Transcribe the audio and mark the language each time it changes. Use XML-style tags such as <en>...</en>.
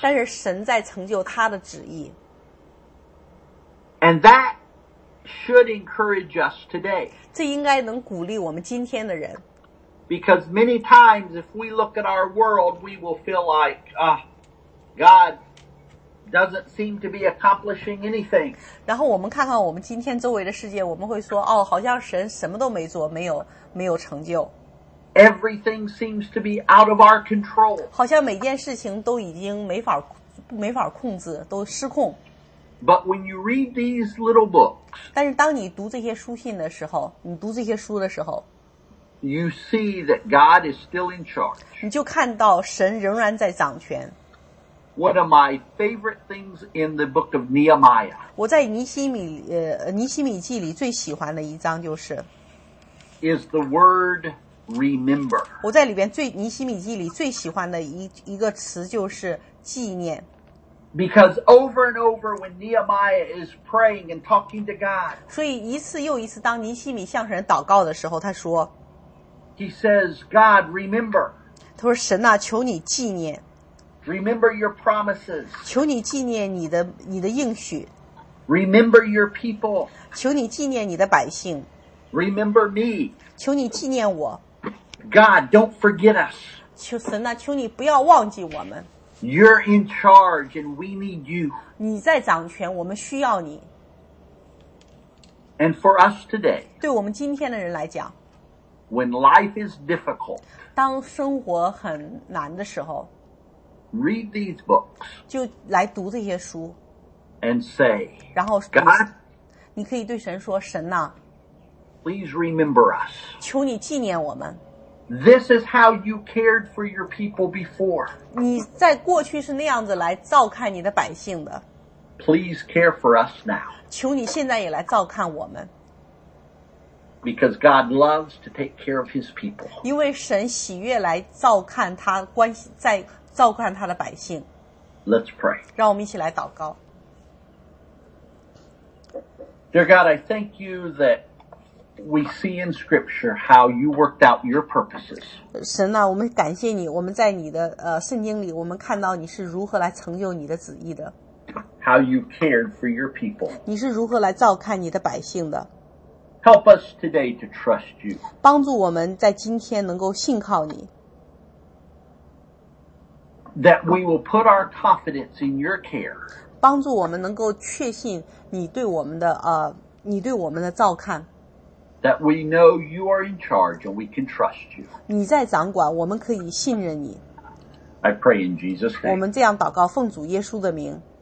<zh>但是神在成就他的旨意。</zh> <en>And that should encourage us today.</en> <zh>这应该能鼓励我们今天的人。</zh> <en>Because many times if we look at our world, we will feel like, God,doesn't seem to be accomplishing anything.</en> <zh>然后我们看看我们今天周围的世界，我们会说，哦，好像神什么都没做，没有成就。</zh> <en>Everything seems to be out of our control.</en> <zh>好像每件事情都已经没法控制，都失控。</zh> <en>But when you read these little books,</en> <zh>但是当你读这些书信的时候，你读这些书的时候，</zh> <en>you see that God is still in charge.</en> <zh>你就看到神仍然在掌权。</zh> <en>One of my favorite things in the book of Nehemiah.</en> <zh>我在尼希米记里最喜欢的一章就是</zh> <en>is the word remember.</en> <zh>我在里边最尼希米记里最喜欢的一个词就是纪念。</zh> <en>Because over and over when Nehemiah is praying and talking to God.</en> <zh>所以一次又一次当尼希米向神祷告的时候，他说</zh> <en>He says, God, remember.</en> <zh>他说神啊，求你纪念。</zh> <en>Remember your promises.</en> <zh>求你纪念你的应许。</zh> <en>Remember your people.</en> <zh>求你纪念你的百姓。</zh> <en>Remember me.</en> <zh>求你纪念我。</zh> <en>God, don't forget us.</en> <zh>求神啊，求你不要忘记我们。</zh> <en>You're in charge and we need you.</en> <zh>你在掌权，我们需要你。</zh> <en>And for us today.</en> <zh>对我们今天的人来讲。</zh> <en>When life is difficult.</en> <zh>当生活很难的时候。</zh> <en>Read these books.</en> <zh>就来读这些书。</zh> <en>And say,</en> <zh>然后</zh> <en>God,</en> <zh>你可以对神说，神啊，</zh> <en>please remember us.</en> <zh>求你纪念我们。</zh> <en>This is how you cared for your people before.</en> <zh>你在过去是那样子来照看你的百姓的。</zh> <en>Please care for us now.</en> <zh>求你现在也来照看我们。</zh> <en>Because God loves to take care of His people.</en> <zh>因为神喜悦来照看他关系在照看他的百姓。</zh> <en>Let's pray.</en> <zh>让我们一起来祷告。</zh> <en>Dear God, I thank you that we see in Scripture how you worked out your purposes.</en> <zh>神啊，我们感谢你，我们在你的圣经里，我们看到你是如何来成就你的旨意的。</zh> <en>How you cared for your people.</en> <zh>你是如何来照看你的百姓的。</zh> <en>Help us today to trust you.</en> <zh>帮助我们在今天能够信靠你。</zh> <en>That we will put our confidence in your care.</en> <zh>帮助我们能够确信你对我们的你对我们的照看。</zh> <en>That we know you are in charge and we can trust you.</en> <zh>你在掌管，我们可以信任你。</zh> <en>I pray in Jesus' name.</en> <zh>我们这样祷告，奉主耶稣的名。</zh>